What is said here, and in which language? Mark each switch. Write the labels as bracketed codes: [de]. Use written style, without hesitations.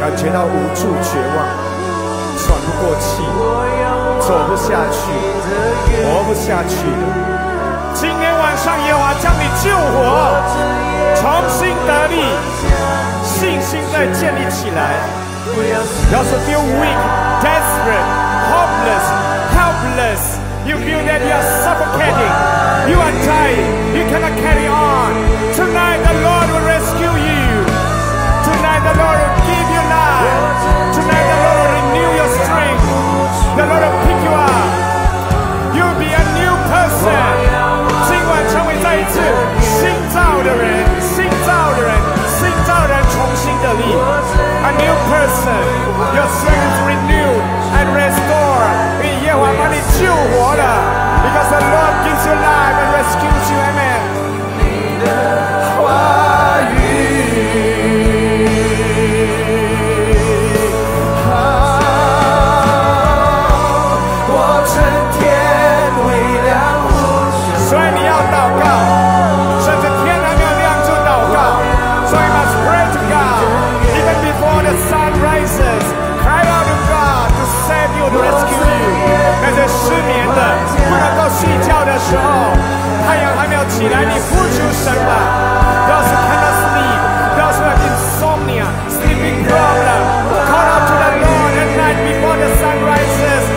[zh] 感觉到无助绝望，喘不过气，走不下去，活不下去。今天晚上耶和华将你救活，重新得力，信心再建立起来。要是 [en] feel weak, desperate, hopeless, helpless, you feel that you are suffocating, you are dying, you cannot carry on, tonight the Lord will rescue you. Tonight the Lord will give you life. Tonight the Lord will renew your strength. The Lord will pick you up. You'll be a new person. [zh] 今晚成为再一次新造的人，新造的人，新造的人，重新的力。 [en] A new person, your strength is renewed and restored. [zh] 因为耶和华把你救活了。 [en] Because the Lord gives you life and rescues you, amen. [zh] 你的话语，我成天为粮呼求。所以你要祷告，甚至天还没有亮就祷告。 [en] So you must pray to God. Before the sun rises, cry out to God to save you, to rescue you. [zh] 那些失眠的，不能够睡觉的时候，太阳还没有起来，你呼求神吧。 [en] Those who cannot sleep, those who have insomnia, sleeping problem, call out to the Lord at night before the sun rises.